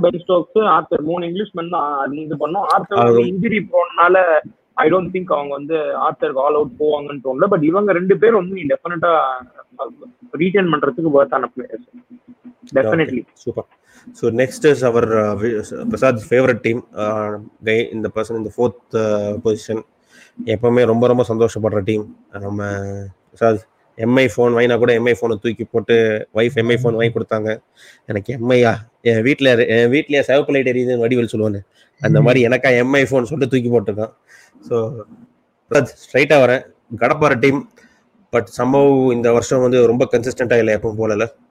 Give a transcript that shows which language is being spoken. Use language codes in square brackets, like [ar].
[ta] Ben Stokes author 3 English man தான் இது பண்ணோம். ஆர்த்தர் இன்ஜுரி போனால [en] I don't think [ta] அவங்க வந்து ஆர்த்தருக்கு ஆல் அவுட் போவாங்கன்னு தோணல. பட் இவங்க ரெண்டு பேரும் வந்து நீ டெஃபினட்டா ரீட்டன் பண்றதுக்கு வர்த்தான players. [en] Definitely. Super. So next is our Prasad's favorite team. Guy in the person in the fourth position. [ta] எப்பவுமே ரொம்ப ரொம்ப சந்தோஷப்படுற டீம் நம்ம. பிரசாத் எம்ஐ ஃபோன் வாங்கினா கூட எம்ஐ ஃபோனை தூக்கி போட்டு வைஃப் எம்ஐ ஃபோன் வாங்கி கொடுத்தாங்க. எனக்கு எம்ஐயா என் வீட்டில் சவப்பு லைட் எரியுதுன்னு வடிவல் சொல்லுவேன். அந்த மாதிரி எனக்கா எம்ஐ ஃபோன் சொல்லிட்டு தூக்கி போட்டிருக்கான். ஸோ பிரசாத் ஸ்ட்ரைட்டாக வரேன். கடப்பாற டீம். பட் சம்பவம் இந்த வருஷம் வந்து ரொம்ப கன்சிஸ்டண்டாக இல்லை எப்பவும் போலல.